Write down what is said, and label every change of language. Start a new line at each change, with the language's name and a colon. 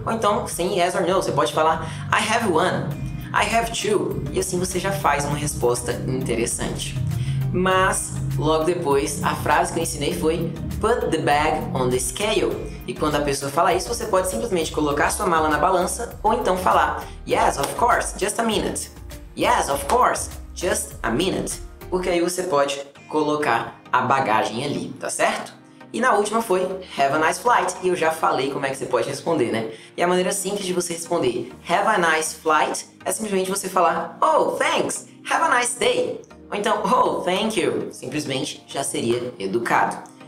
Portuguese: Ou então, sem
English: yes or no,
Portuguese: você pode falar...
English: I have one. I have two.
Portuguese: E assim você já faz uma resposta interessante. Mas, logo depois, a frase que eu ensinei foi...
English: Put the bag on the scale.
Portuguese: E quando a pessoa fala isso, você pode simplesmente colocar sua mala na balança ou então falar
English: yes, of course, just a minute. Yes, of course, just a minute.
Portuguese: Porque aí você pode colocar a bagagem ali, tá certo? E na última foi
English: have a nice flight.
Portuguese: E eu já falei como é que você pode responder, né? E a maneira simples de você responder
English: have a nice flight
Portuguese: é simplesmente você falar
English: oh, thanks, have a nice day.
Portuguese: Ou então,
English: oh, thank you.
Portuguese: Simplesmente já seria educado.